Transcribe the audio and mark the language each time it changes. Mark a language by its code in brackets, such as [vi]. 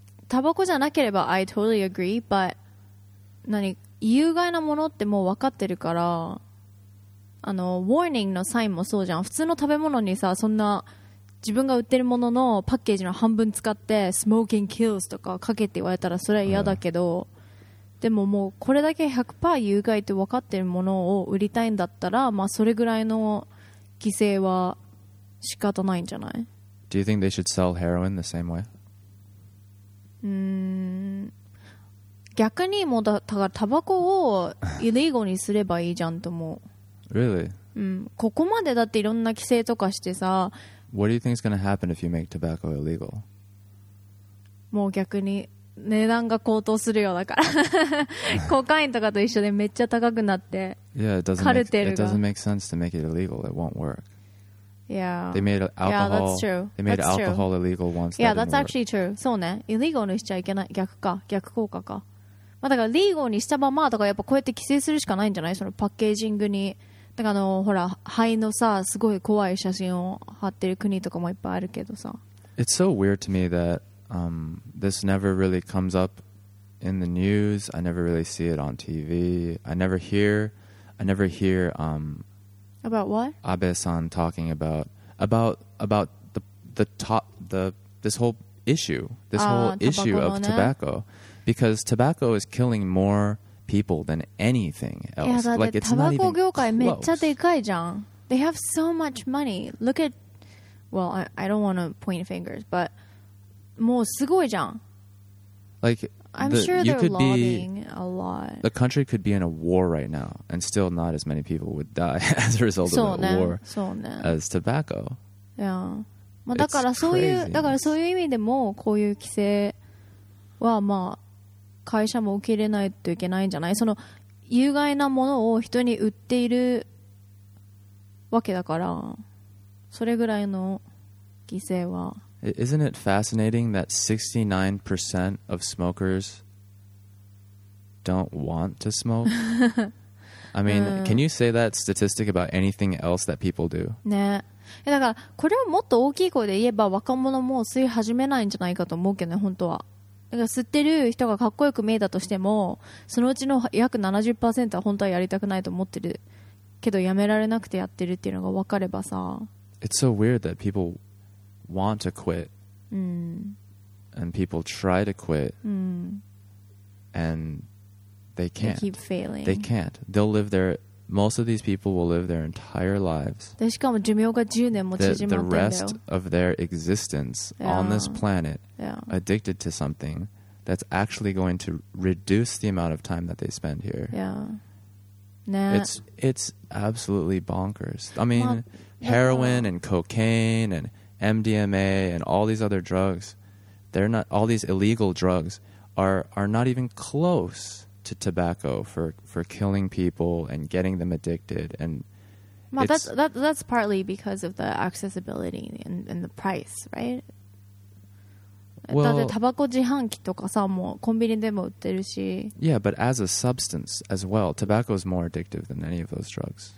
[ja] タバコじゃなければ [en] I totally agree, but [ja] 何有害なものってもう分かってるから、あの warning のサインもそうじゃん。普通の食べ物にさ、そんな自分が売ってるもののパッケージの半分使って [en] smoking kills [ja] とかかけって言われたらそれは嫌だけど、でももうこれだけ 100% 有害って分かってるものを売りたいんだったら、まあそれぐらいの規制は仕方ないんじゃない。 [en] Do you think they should sell heroin the same way? [ja] 逆にもうだからタバコをイリーゴにすればいいじゃんと思う。 [en] Really? [ja] ここまでだっていろんな規制とかしてさ、 [en] What do you think is going to happen if you make tobacco illegal? [ja] もう逆に値段が高騰するようだから。コカインとかと一緒でめっちゃ高くなって。 [en] Yeah, [ja] カルテルが。 [en] It doesn't make sense to make it illegal. It won't work. Yeah. They made alcohol. Yeah, that's true. They made alcohol illegal once. Yeah, that's actually true. [ja] そうね。Illegal にしちゃいけない。逆か。逆効果か。まあ、だから、legal にしたままとか、やっぱこうやって規制するしかないんじゃない？そのパッケージングに。だからほら、灰のさ、すごい怖い写真を貼ってる国とかもいっぱいあるけどさ。 [en] It's so weird to me that this never really comes up in the news. I never really see it on TV. I never hear about what? Abe-san talking about this whole issue of tobacco. Because tobacco is killing more people than anything else. Yeah, like it's not even close. Tobacco [ja] 業界めっちゃでかいじゃん。 [en] They have so much money. Look at, well, I don't want to point fingers, but [ja] もうすごいじゃん。 [en] Like, I'm the, sure you they're lobbying a lot. The country could be in a war right now, and still not as many people would die as a result of that war as tobacco. Yeah. [ja] まあ、だからそういう、だからそういう意味でもこういう規制はまあ会社も受け入れないといけないんじゃない？その有害なものを人に売っているわけだから、それぐらいの犠牲は。 [en] Isn't it fascinating that 69% of smokers don't want to smoke? I mean, can you say that statistic about anything else that people do? [ja] ね。だからこれをもっと大きい声で言えば若者も吸い始めないんじゃないかと思うけどね、本当は。だから吸ってる人がかっこよく見えたとしてもそのうちの約 70% は本当はやりたくないと思ってるけどやめられなくてやってるっていうのが分かればさ。 [en] It's so weird that people want to quit、 [ja] うん、 [en] and people try to quit、 [ja] うん、 [en] and they can't. They keep failing. They can't. They'll live their most of these people will live their entire lives. [ja] でしかも寿命が10年も縮まってんだよ。 [en] The rest of their existence、 yeah. on this planet、 yeah. addicted to something that's actually going to reduce the amount of time that they spend here. Yeah. Nah. It's absolutely bonkers. I mean, heroin and cocaine and MDMA and all these other drugs, they're not, all these illegal drugs are not even close to tobacco for killing people and getting them addicted. And well, that's partly because of the accessibility and the price, right? Well, [ja] だってタバコ自販機とかさ、もうコンビニでも売ってるし。 [en] Yeah, but as a substance as well, tobacco is more addictive than any of those drugs.